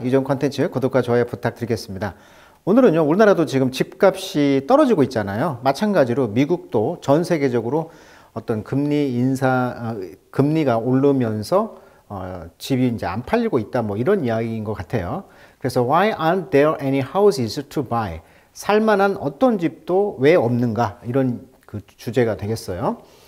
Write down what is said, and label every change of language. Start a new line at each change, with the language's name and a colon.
Korean: 이종 콘텐츠 구독과 좋아요 부탁드리겠습니다. 오늘은요, 우리나라도 지금 집값이 떨어지고 있잖아요. 마찬가지로 미국도 전 세계적으로 어떤 금리가 오르면서 집이 이제 안 팔리고 있다, 뭐 이런 이야기인 것 같아요. 그래서
English: Why aren't there any houses to buy?
Korean: 살 만한 어떤 집도 왜 없는가? 이런 그 주제가 되겠어요.